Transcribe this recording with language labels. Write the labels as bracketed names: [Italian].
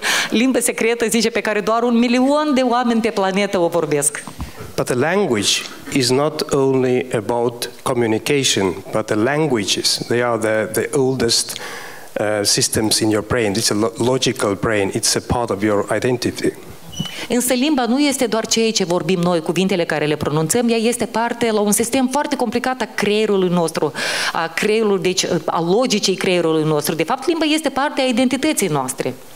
[Romanian] Limba secretă, zice, pe care doar 1 milion de oameni pe planetă o vorbesc. [English] But the language is not only about communication, but the languages, they are the oldest systems in your brain. It's a logical brain, it's a part of your identity. [Romanian] Însă limba nu este doar ceea ce vorbim noi, cuvintele care le pronunțăm, ea este parte la un sistem foarte complicat a creierului nostru, a creierului, deci a logicii creierului nostru. De fapt, limba este parte a identității noastre.